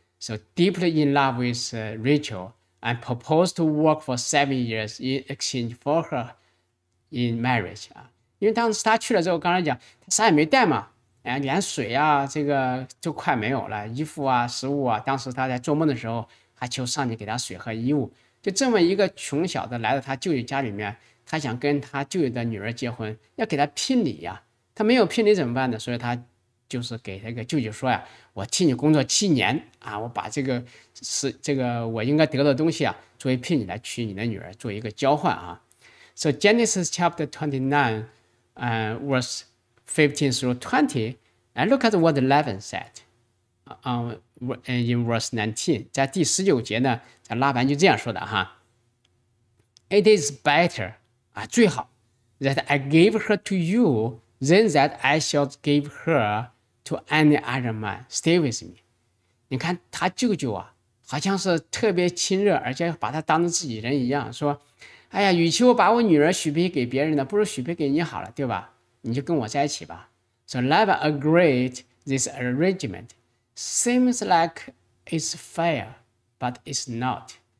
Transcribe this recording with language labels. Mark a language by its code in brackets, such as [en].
[en] So deeply in love with Rachel and proposed to work for 7 years in exchange for her in marriage [zh] 啊，因为当时她去了之后，刚才讲她啥也没带嘛，连水啊这个就快没有了，衣服啊食物啊，当时她在做梦的时候还求上帝给她水和衣物，就这么一个穷小子来到她舅舅家里面，他想跟他舅舅的女儿结婚，要给他聘礼呀、啊。他没有聘礼怎么办呢？所以他就是给这个舅舅说呀、啊：“我替你工作7年啊，我把这个我应该得的东西啊，作为聘礼来娶你的女儿，做一个交换啊。” [en] So Genesis chapter 29, verse 15 through 20, and look at what Laban said. In verse 19, [zh] 在第十九节呢，在拉班就这样说的哈 ： [en] “It is better.” [zh] 最好 [en] that I gave her to you than that I shall give her to any other man. Stay with me. [zh] 你看他舅舅啊，好像是特别亲热，而且把他当成自己人一样，说哎呀，与其我把我女儿许配给别人的，不如许配给你好了，对吧？你就跟我在一起吧。 [en] So Laban agreed this arrangement. Seems like it's fair, but it's not.